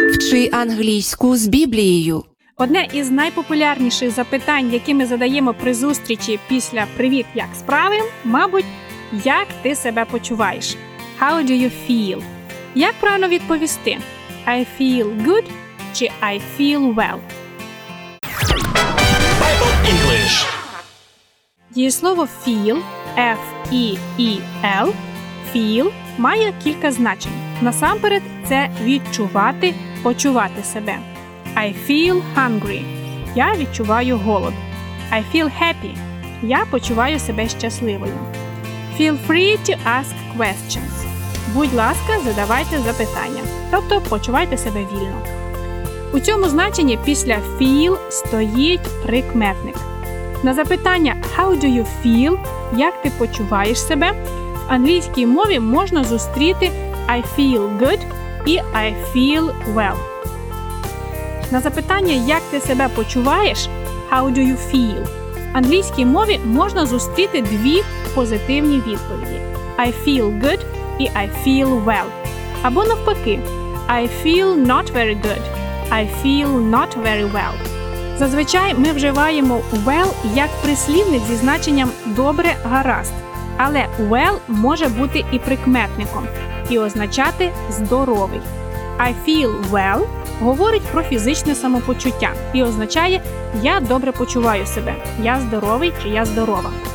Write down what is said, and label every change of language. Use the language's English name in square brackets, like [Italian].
[Ukrainian] Вчи англійську з Біблією. Одне із найпопулярніших запитань, які ми задаємо при зустрічі після «Привіт, як справи?», мабуть, «Як ти себе почуваєш?» [English] How do you feel? [Ukrainian] Як правильно відповісти? [English] I feel good чи I feel well? Bible English. [Ukrainian] Дієслово feel, F-E-E-L, feel, має кілька значень. Насамперед, це відчувати, почувати себе. [English] I feel hungry. [Ukrainian] Я відчуваю голод. [English] I feel happy. [Ukrainian] Я почуваю себе щасливою. [English] Feel free to ask questions. [Ukrainian] Будь ласка, задавайте запитання. Тобто, почувайте себе вільно. У цьому значенні після feel стоїть прикметник. На запитання [English] how do you feel, [Ukrainian] як ти почуваєш себе, в англійській мові можна зустріти [English] I feel good [Ukrainian] і [English] I feel well. [Ukrainian] На запитання, як ти себе почуваєш, [English] how do you feel, [Ukrainian] в англійській мові можна зустріти дві позитивні відповіді [English] I feel good [Ukrainian] і [English] I feel well. [Ukrainian] Або навпаки, [English] I feel not very good, I feel not very well. [Ukrainian] Зазвичай ми вживаємо well як прислівник зі значенням добре, гаразд. Але well може бути і прикметником, і означати здоровий. [English] I feel well [Ukrainian] говорить про фізичне самопочуття і означає «я добре почуваю себе», «я здоровий» чи «я здорова».